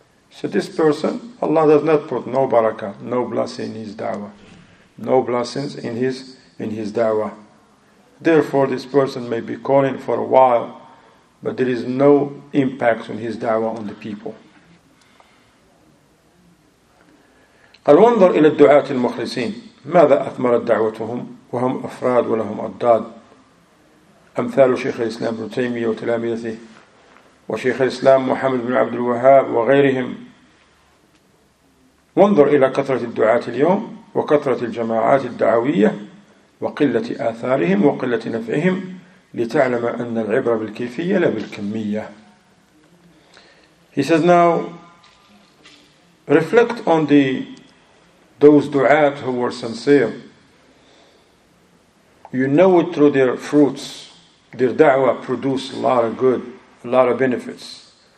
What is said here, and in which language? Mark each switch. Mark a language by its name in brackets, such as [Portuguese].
[English] So this person, Allah does not put no barakah, no blessing in his da'wah. No blessings in his da'wah. Therefore, this person may be calling for a while, but there is no impact on his da'wah on the people. [Arabic] أَلْوَنْظَرْ إِلَى الدُّعَاةِ الْمُخْلِصِينَ مَاذَا أَثْمَرَتْ دَعْوَتُهُمْ وَهُمْ أَفْرَاد وَلَهُمْ أَضْدَاد أمثال شيخ الإسلام ابن تيمية وتلامذته وشيخ الإسلام محمد بن عبد الوهاب وغيرهم. وانظر إلى كثرة الدعاة اليوم وكثرة الجماعات الدعوية وقلة آثارهم وقلة نفعهم لتعلم أن العبرة بالكيفية لا بالكمية. [English] He says, now reflect on those du'at who were sincere. You know it through their fruits. Their da'wah produced a lot of good, a lot of benefits.